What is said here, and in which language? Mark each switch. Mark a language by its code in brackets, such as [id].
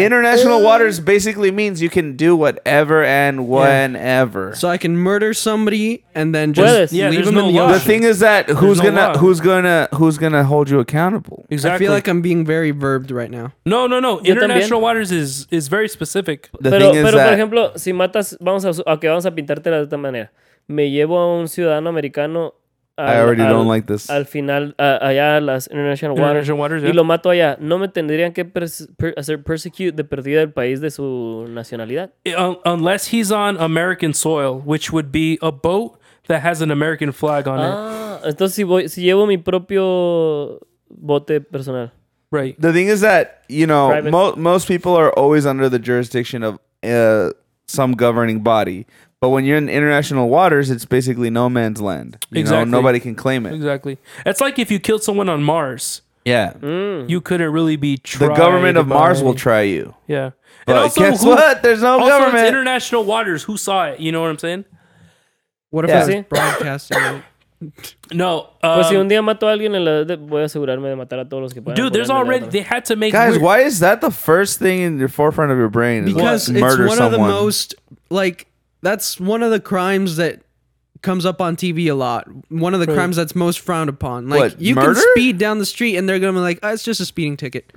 [en] International waters basically means you can do whatever and whenever. So I can murder somebody and then just leave them in the ocean. The thing is that who's gonna hold you accountable? Exactly. I feel like I'm being very verbed right now. No. International waters is very specific. [es] Pero por ejemplo, si matas, vamos a pintarte de esta manera. Me llevo a un ciudadano americano al final, allá a las international waters, y lo mato allá. ¿No me tendrían que persecute de perdida del país de su nacionalidad? [en] Unless he's on American soil, which would be a boat that has an American flag on it. [es] Entonces si llevo mi propio bote personal. [en] Right. The thing is that, you know, most people are always under the jurisdiction of some governing body. But when you're in international waters, it's basically no man's land. You know, nobody can claim it. Exactly. It's like if you killed someone on Mars. Yeah. You couldn't really be tried. The government of Mars will try you. Yeah. But also, guess what? There's no government. It's international waters. Who saw it? You know what I'm saying? What if I was broadcasting it? No. [es] Pues si un día mato a alguien, voy a asegurarme de matar a todos los que puedan. [en] Dude, there's already... They had to make... Guys, why is that the first thing in the forefront of your brain? Because it's one of the most... Like... That's one of the crimes that comes up on TV a lot. One of the crimes that's most frowned upon. Like, what, you murder? Can speed down the street and they're going to be like, oh, it's just a speeding ticket.